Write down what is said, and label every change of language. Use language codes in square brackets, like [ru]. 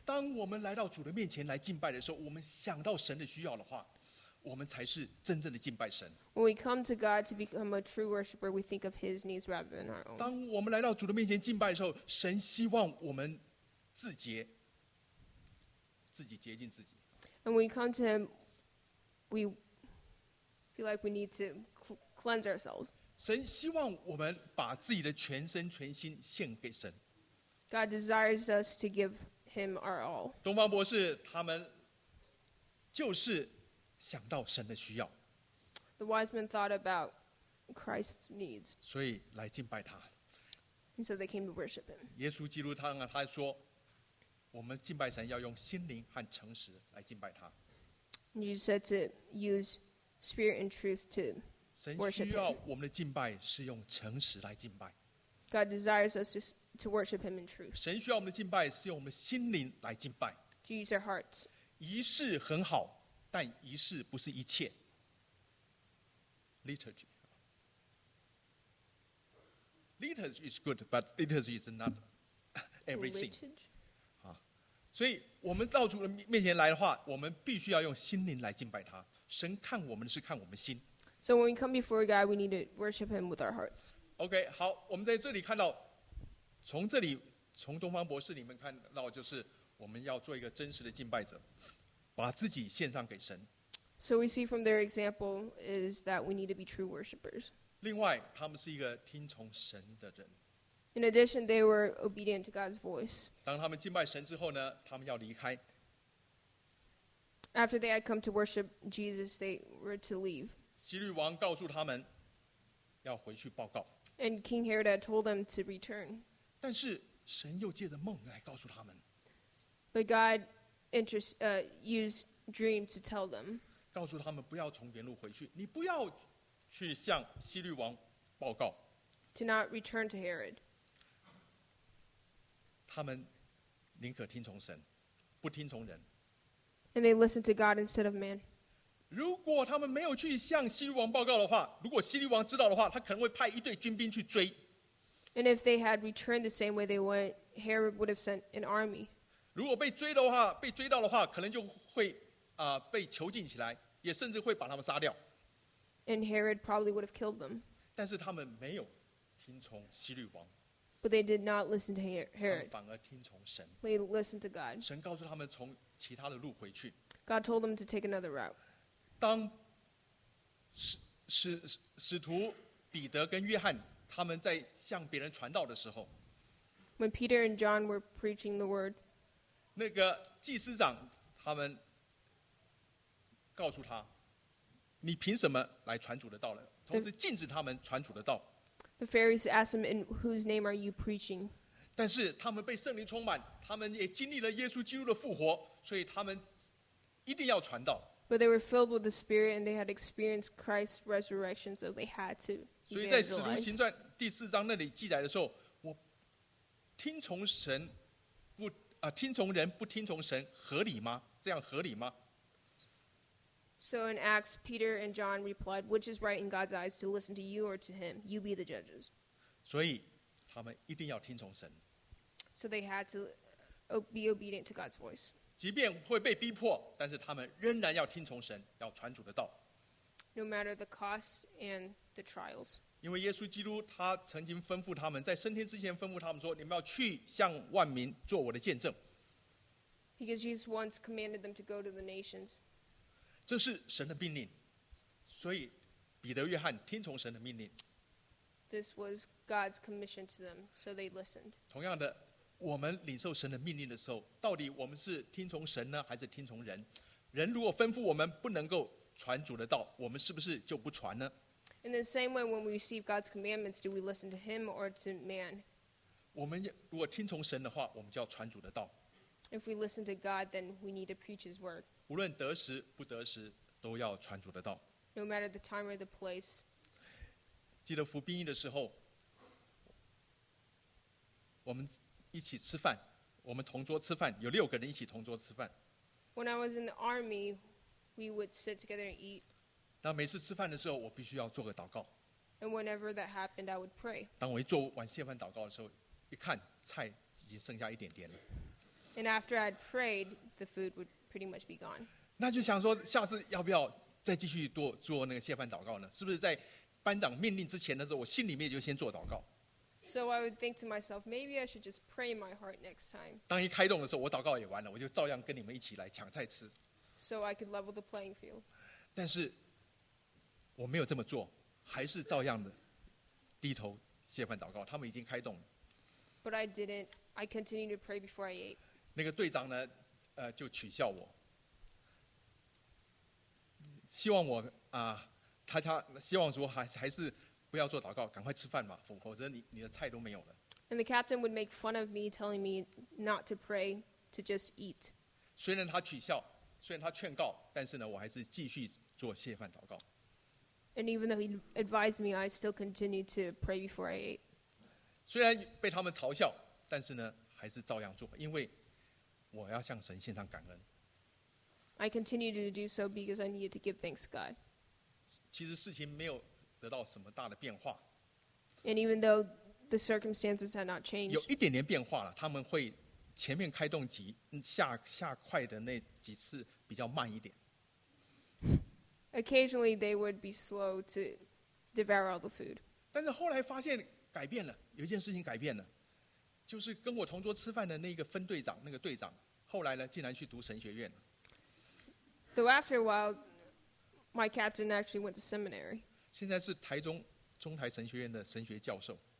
[zh] 当我们来到主的面前来敬拜的时候，我们想到神的需要的话，我们才是真正的敬拜神。 [en] When we come to God to become a true worshiper, we think of His needs rather than our own. [zh] 当我们来到主的面前敬拜的时候，神希望我们自洁，自己洁净自己。 [en] And we come to Him, we feel like we need to cleanse ourselves. [zh] 神希望我们把自己的全身全心献给神。 [en] God desires us to give Him our all. [zh] 东方博士他们就是想到神的需要。 [en] The wise men thought about Christ's needs. [zh] 所以来敬拜他。 [en] And so they came to worship Him. [zh] 耶稣基督他说，我们敬拜神要用心灵和诚实来敬拜他。 [en] You said to use spirit and truth to worship Him. [zh] 神需要我们的敬拜是用诚实来敬拜。 [en] God desires us to worship Him in truth. [zh] 神需要我们的敬拜是用我们心灵来敬拜。 [en] To use our hearts. [zh] 仪式很好，但仪式不是一切。 [en] Liturgy. Liturgy is good, but liturgy is not everything. Liturgy. [zh] 所以我们到主的面前来的话，我们必须要用心灵来敬拜他。神看我们是看我们心。 [en] So when we come before God, we need to worship Him with our hearts. [zh] OK, 好，我们在这里看到，从这里从东方博士里面看到，就是我们要做一个真实的敬拜者，把自己献上给神。 [en] So we see from their example is that we need to be true worshippers. [zh] 另外，他们是一个听从神的人。 [en] In addition, they were obedient to God's voice. [zh] 当他们敬拜神之后呢，他们要离开。 [en] After they had come to worship Jesus, they were to leave. [zh] 希律王告诉他们要回去报告。 [en] And King Herod had told them to return. [zh] 但是神又借着梦来告诉他们。 [en] But God used dream to tell them. [zh] 告诉他们不要从原路回去，你不要去向希律王报告。 [en] To not return to Herod. [zh] 他们宁可听从神，不听从人。 [en] And they listened to God instead of man. [zh] 如果他们没有去向希律王报告的话，如果希律王知道的话，他可能会派一队军兵去追。 [en] And if they had returned the same way they went, Herod would have sent an army. [zh] 如果被追的话，被追到的话，可能就会被囚禁起来，也甚至会把他们杀掉。 [en] And Herod probably would have killed them. [zh] 但是他们没有听从希律王。 [en] But they did not listen to Herod. [zh] 他们反而听从神。 [en] They listened to God. [zh] 神告诉他们从其他的路回去。 [en] God told them to take another route. [zh] 当使徒彼得跟约翰他们在向别人传道的时候， [en] When Peter and John were preaching the word, [zh] 那个祭司长他们告诉他，你凭什么来传主的道呢？同时禁止他们传主的道。 [en] The Pharisees asked him, "In whose name are you preaching?" [zh] 但是他们被圣灵充满，他们也经历了耶稣基督的复活，所以他们一定要传道。 [en] But they were filled with the Spirit and they had experienced Christ's resurrection, so they had to. [zh] 所以在使徒行传第四章那里记载的时候，我听从神不听从人不听从神合理吗？这样合理吗？ [en] So in Acts, Peter and John replied, "Which is right in God's eyes, to listen to you or to him? You be the judges." [zh] 所以他们一定要听从神。 [en] So they had to be obedient to God's voice. [zh] 即便会被逼迫，但是他们仍然要听从神，要传主的道。 [en] No matter the cost and the trials. [zh] 因为耶稣基督他曾经吩咐他们，在升天之前吩咐他们说，你们要去向万民做我的见证。 [en] Because Jesus once commanded them to go to the nations. [zh] 这是神的命令。所以彼得约翰听从神的命令。 [en] This was God's commission to them, so they listened. [zh] 同样的，我们领受神的命令的时候，到底我们是听从神呢，还是听从人？人如果吩咐我们不能够传主的道，我们是不是就不传呢？ [en] In the same way, when we receive God's commandments, do we listen to Him or to man? [zh] 我们如果听从神的话，我们就要传主的道。 [en] If we listen to God, then we need to preach His word. [zh] 无论得时不得时，都要传主的道。 [en] No matter the time or the place. [zh] 记得服兵役的时候，我们一起吃饭，我们同桌吃饭，有六个人一起同桌吃饭。 [en] When I was in the army, we would sit together and eat. [zh] 那每次吃饭的时候，我必须要做个祷告。 [en] And whenever that happened, I would pray. [zh] 当我一做完谢饭祷告的时候，一看菜已经剩下一点点了。 [en] And after I had prayed, the food would pretty much be gone. [zh] 那就想说，下次要不要再继续多做那个谢饭祷告呢？是不是在？班长命令之前的时候，我心里面就先做祷告。 [en] So I would think to myself, maybe I should just pray my heart next time. [zh] 当一开动的时候，我祷告也完了，我就照样跟你们一起来抢菜吃。 [en] So I could level the playing field. [zh] 但是我没有这么做，还是照样的低头谢饭祷告。他们已经开动了。 [en] But I didn't. I continued to pray before I ate. [zh] 那个队长呢，就取笑我，希望我啊。他希望说还是不要做祷告，赶快吃饭嘛，否则你的菜都没有了。 [en] And the captain would make fun of me, telling me not to pray, to just eat. [zh] 虽然他取笑，虽然他劝告，但是呢，我还是继续做谢饭祷告。 [en] And even though he advised me, I still continued to pray before I ate. [zh] 虽然被他们嘲笑，但是呢，还是照样做，因为我要向神献上感恩。 [en] I continued to do so because I needed to give thanks to God. [zh] 其实事情没有得到什么大的变化。 [en] And even though the circumstances had not changed, [zh] 有一点点变化了，他们会前面开动急，下快的那几次比较慢一点。 [en] Occasionally they would be slow to devour all the food. [zh] 但是后来发现改变了，有一件事情改变了，就是跟我同桌吃饭的那个分队长，那个队长，后来呢竟然去读神学院了。 [en] Though after a while,My captain actually went to seminary. [zh] 现在是台中中台神学院的神学教授。